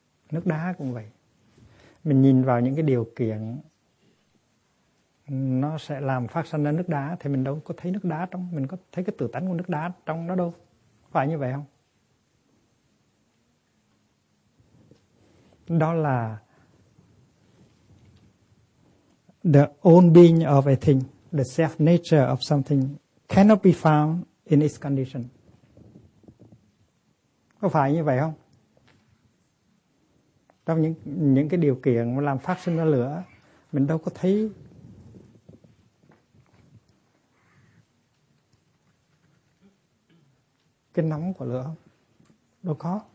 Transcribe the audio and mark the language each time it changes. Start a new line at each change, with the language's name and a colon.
Vietnamese: Nước đá cũng vậy. Mình nhìn vào những cái điều kiện nó sẽ làm phát sinh ra nước đá thì mình đâu có thấy nước đá trong, mình có thấy cái tự tánh của nước đá trong đó đâu. Phải như vậy không? Đó là
English: the own being of a thing, the self nature of something cannot be found in its condition.
Vietnamese: Có phải như vậy không? Trong những cái điều kiện mà làm phát sinh ra lửa, mình đâu có thấy cái nóng của lửa không? Đâu có.